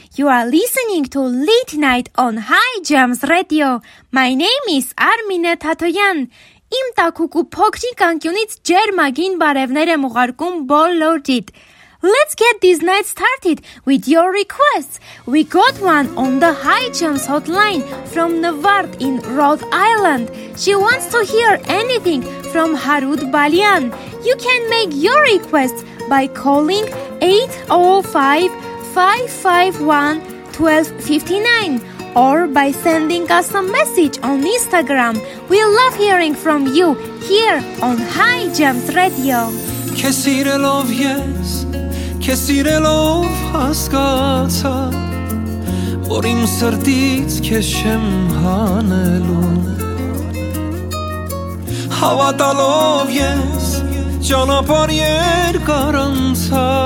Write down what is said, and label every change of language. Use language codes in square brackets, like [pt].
[en] You are listening to Late Night on High Jams Radio. My name is Armine Tatoyan. [hy] Իմ տակուկ ու փոքրիկ անկյունից ջերմագին բարևներ եմ ուղարկում բոլորդիդ։ [en] Let's get this night started with your requests. We got one on the High Jams hotline from Navard in Rhode Island. She wants to hear anything from Harut Balian. You can make your requests by calling 805-551-1259 or by sending us a message on Instagram. We love hearing from you here on High Jams Radio. [hy] Քեզ սիրելով հասկացա, որ իմ սրտից քեզ չեմ հանելու։ Հավատալով ես ճանապարհ երկար անցա,